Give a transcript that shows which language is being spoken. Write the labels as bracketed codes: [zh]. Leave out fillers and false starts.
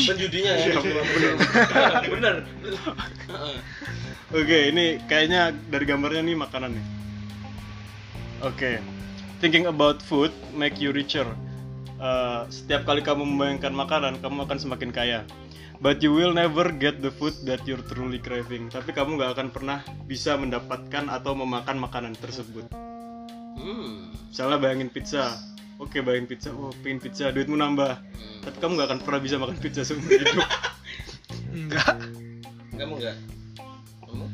[id] Penjudinya ya. Iya, benar. Oke, ini kayaknya dari gambarnya nih makanannya. Oke, okay. [en] Thinking about food make you richer. [id] Setiap kali kamu membayangkan makanan, kamu akan semakin kaya. [en] But you will never get the food that you're truly craving. [id] Tapi kamu gak akan pernah bisa mendapatkan atau memakan makanan tersebut. Misalnya bayangin pizza. Oke, okay, bayangin pizza, oh pengen pizza, duitmu nambah. Tapi kamu gak akan pernah bisa makan pizza seumur hidup. Enggak. Kamu enggak? Kamu?